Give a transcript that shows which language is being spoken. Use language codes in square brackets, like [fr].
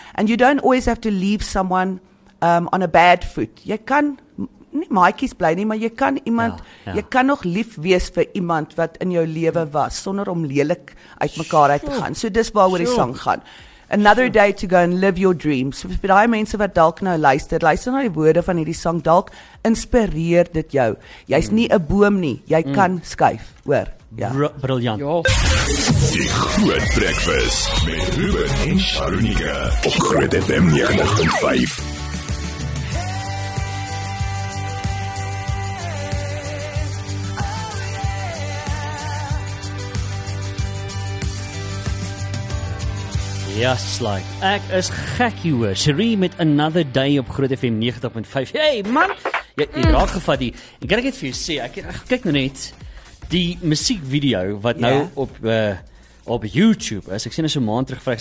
[en] And you don't always have to leave someone on a bad foot. [af] Jy kan nie maaikies bly nie, maar jy kan jy kan nog lief wees vir iemand wat in jou lewe was, sonder om lelik uit mekaar uit te gaan. So dis waar oor die song gaan. [en] Another day to go and live your dreams. [af] Vir die mense wat dalk nou luister na die woorde van hierdie song, dalk inspireer dit jou. Jy's nie 'n boom nie, jy kan skuif, hoor. Ja. Briljant. Die Groot Breakfast met Ruben en Sharunika op Groot FM 95. Yes, like. Ek is gek hier. Sheree met Another Day op Groot FM 90.5. [en] Hey man, [af] jy raak gevat die. En kan ek dit vir jou sê, ek kyk nou net die musiekvideo wat nou op YouTube is. Ek sien dit so 'n maand terug vrys.